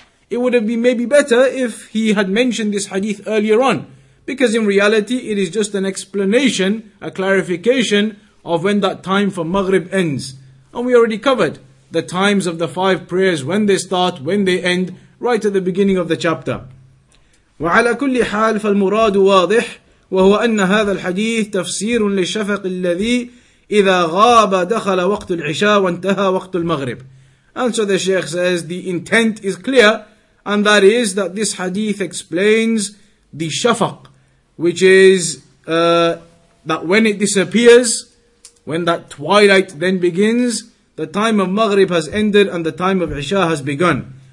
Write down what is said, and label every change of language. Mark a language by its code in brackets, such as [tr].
[en] It would have been maybe better if he had mentioned this hadith earlier on. Because in reality, it is just an explanation, a clarification of when that time for Maghrib ends. And we already covered the times of the five prayers, when they start, when they end, right at the beginning of the chapter. [ar] وعلى كل حال فالمراد واضح وهو أن هذا الحديث تفسير للشفق الذي إذا غاب دخل وقت العشاء وانتهى وقت المغرب. [en] And so the Shaykh says the intent is clear, and that is that this hadith explains the shafaq, which is that when it disappears, when that twilight then begins, the time of Maghrib has ended and the time of Isha has begun.